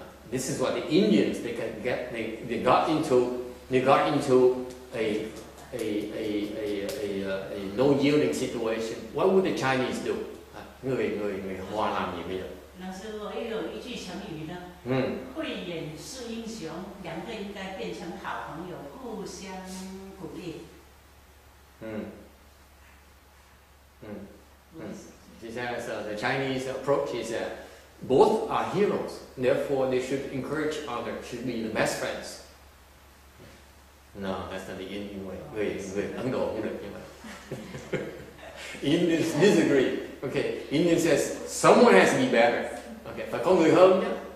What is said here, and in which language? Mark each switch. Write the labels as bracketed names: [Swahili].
[English] This is what the Indians they got into a no yielding situation. What would the Chinese do? [Vietnamese] Người Hoa làm gì bây giờ? Lão sư ơi, có một câu thành ngữ đó. Hội nhân sư anh hùng, 2 người nên trở thành bạn bè, tương trợ lẫn nhau. [English] The Chinese approach is that both are heroes, therefore they should encourage others, should be the best friends. No, that's not the Indian way. [Vietnamese] Người Ấn Độ cũng được như vậy. [English] Indians disagree. Okay, Indian says someone has to be better. Okay, [Vietnamese] phải có người hơn nhé.